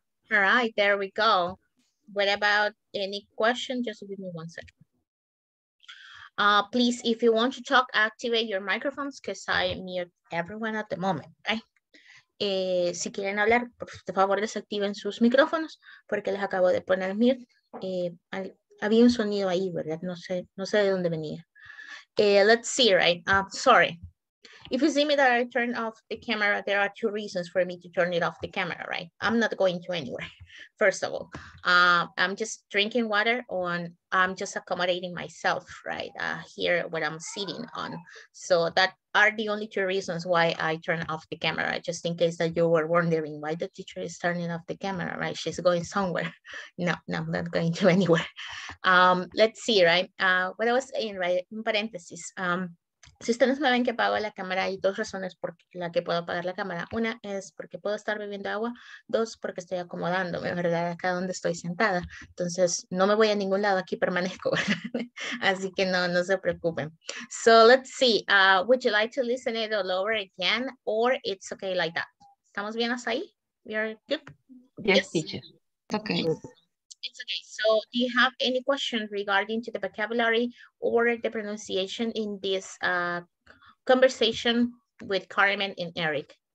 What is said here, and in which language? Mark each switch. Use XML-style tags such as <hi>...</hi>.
<en>All right, there we go. What about any question? Just give me one second. Please, if you want to talk, activate your microphones because I mute everyone at the moment, right?</en> <es>Si quieren hablar, por favor, desactiven sus micrófonos porque les acabo de poner mute. Había un sonido ahí, ¿verdad? No sé de dónde venía.</es> <en>Let's see, right? Sorry. If you see me that I turn off the camera, there are two reasons for me to turn it off the camera, right? I'm not going to anywhere, first of all. I'm just drinking water and I'm just accommodating myself, right? Here, what I'm sitting on. So that are the only two reasons why I turn off the camera, just in case that you were wondering why the teacher is turning off the camera, right? She's going somewhere. No, I'm not going to anywhere. Let's see, right? What I was saying, right, in parentheses.</en> <es>Si ustedes me ven que apago la cámara, hay dos razones por la que puedo apagar la cámara. Una es porque puedo estar bebiendo agua. Dos, porque estoy acomodándome, ¿verdad? Acá donde estoy sentada. Entonces, no me voy a ningún lado, aquí permanezco, ¿verdad? Así que no se preocupen.</es> <en>So, let's see. Would you like to listen it all over again? Or it's okay like that?</en> <es>¿Estamos bien hasta ahí?</es> <en>We are good? Yes, teacher. Okay. Yes. It's okay. So do you have any questions regarding to the vocabulary or the pronunciation in this conversation with Carmen and Eric?</en>